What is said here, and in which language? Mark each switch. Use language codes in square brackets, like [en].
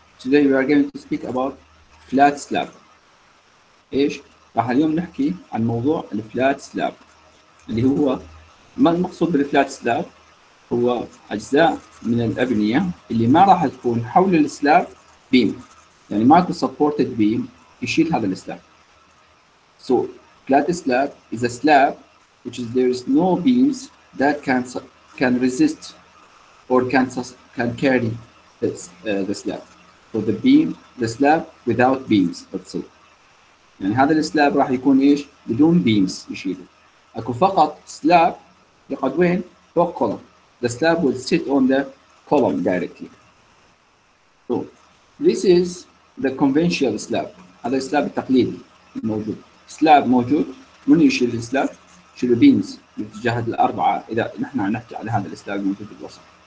[en] Today we are going to speak about flat slab. [ar] ايش؟ راح اليوم نحكي عن موضوع الفلات سلاب، اللي هو ما المقصود بالفلات سلاب؟ هو اجزاء من الابنيه اللي ما راح تكون حول السلاب بيم، يعني ما تكون سبورتد بيم يشيل هذا السلاب. [en] So flat slab is a slab which is there is no beams that can resist or can carry the slab. So the beam, the slab without beams, let's say. [ar] يعني هذا السلاب راح يكون ايش؟ بدون بيمز يشيله. اكو فقط سلاب يقعد وين؟ فوق كولوم. [en] The slab will sit on the column directly. So this is the conventional slab. [ar] هذا السلاب التقليدي الموجود. سلاب موجود، من يشيل السلاب؟ يشيل بيمز باتجاه الاربعه اذا نحن عم نحكي على هذا السلاب الموجود بالوسط.